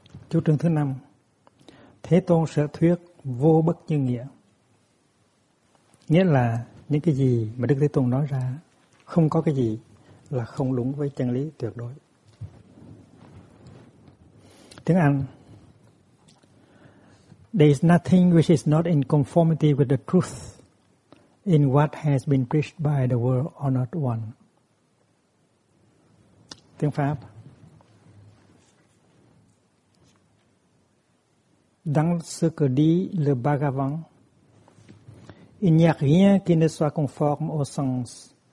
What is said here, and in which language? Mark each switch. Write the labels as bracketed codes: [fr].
[vi] Chủ trương thứ năm, Thế Tôn sở thuyết vô bất như nghĩa. Nghĩa là những cái gì mà Đức Thế Tôn nói ra, không có cái gì là không đúng với chân lý tuyệt đối. Tiếng Anh, [en] There is nothing which is not in conformity with the truth in what has been preached by the world honored one. [vi] Tiếng Pháp, [fr] Dans ce que dit le Bhagavan, il n'y a rien qui ne soit conforme au sens.